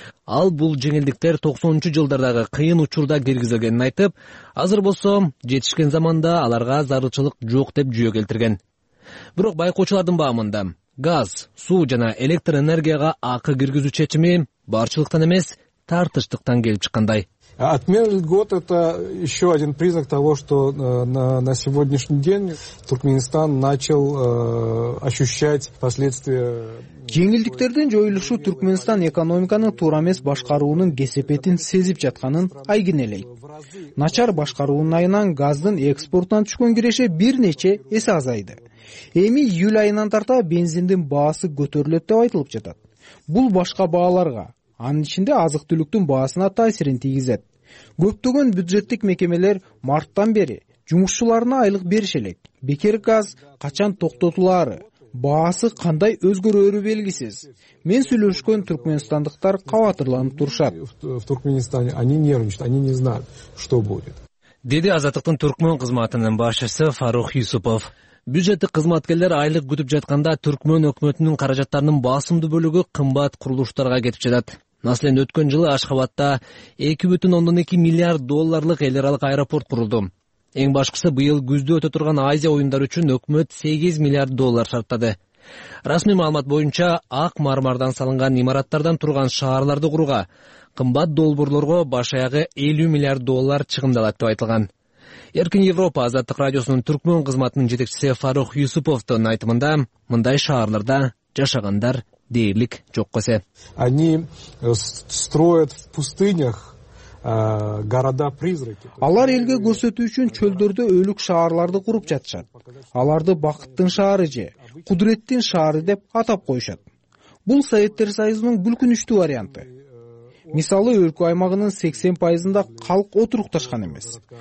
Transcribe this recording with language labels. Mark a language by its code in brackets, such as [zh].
[ky] Ал бул жеңилдиктер 90-жылдардагы кыйын учурда киргизилгенин айтып, азыр болсо жетишкен заманда аларга зарылчылык жок деп жүйө келтирген. Бирок байкоочулардын баамында газ, суу жана электр энергияга акы киргизүү чечими барчылыктан эмес, тартыштыктан келип чыккандай. [ru] Отмена льгот – это еще один признак того, что на сегодняшний день Туркменистан начал ощущать последствия... [ky] Жеңилдиктердин жоюлушу Туркменистан экономиканын туура эмес башкаруунун кесепетин сезип жатканын айгинелейт. Начар башкаруунун айынан газдын экспортунан түшкөн киреше бир нече эсе азайды. Эми июль айынан тарта бензиндин баасы көтөрүлөт деп айтылып жатат. Бул башка бааларга... Анын ичинде азык-түлүктүн баасына таасирин тийгизет. Көптөгөн бюджеттик мекемелер марттан бери жумушчуларына айлык бериш элек. Бекер газ качан токтотулары, баасы кандай өзгөрөөрү белгисиз. Мен сүйлөшкөн түркменстандыктар кабатырланып турушат. [ru] В Туркменистане они нервничают, они не знают, что будет. [ky] Деди Азаттыктын түркмөн кызматынын башчысы Фарух Юсупов. Бюджеттик кызматкерлер айлык күтүп жатканда түркмөн өкмөтүнүн каражаттарынын басымдуу бөлүгү кымбат курулуштарга кетип жатат. Маселен, өткөн жылы Ашхабадта 2,2 миллиард долларлык эл аралык аэропорт курулду. Эң башкысы быйыл күздө өтө турган Азия оюндары үчүн өкмөт 8 миллиард доллар шарттады. Расмий маалымат боюнча ак мармардан салынган имараттардан турган шаарларды курууга кымбат долбоорлорго баш аягы 50 миллиард доллар чыгымдалат деп айтылган. Эркин Европа Азаттык радиосунун түркмөн кызматынын жетекчиси Фарух Юсуповдун айтымында мындай шаарларда жашагандар дээрлик жок эсе. [ru] Они строят в пустынях города-призраки. [ky] Алар элге көрсөтүү үчүн чөлдөрдө өлүк шаарларды куруп жатышат. Аларды бакыттын шаары же кудуреттин шаары деп атап коюшат. Бул Советтер Союзунун бүлкүнүштүү варианты. Мисалы, өлкө аймагынын 80%ында калк отурукташкан эмес.